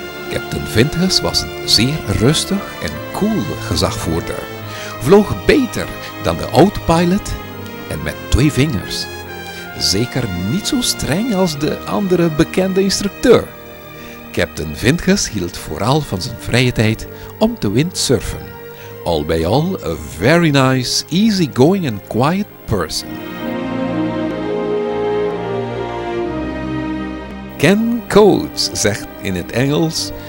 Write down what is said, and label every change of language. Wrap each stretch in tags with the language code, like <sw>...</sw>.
<nl>Captain Vinkers was een zeer rustig en cool gezagvoerder. Vloog beter dan de autopilot en met twee vingers. Zeker niet zo streng als de andere bekende instructeur. Captain Vinkers hield vooral van zijn vrije tijd om te windsurfen.</nl> <en>All by all, a very nice, easygoing and quiet person.</en> <nl>Ken Coates zegt in het Engels...</nl>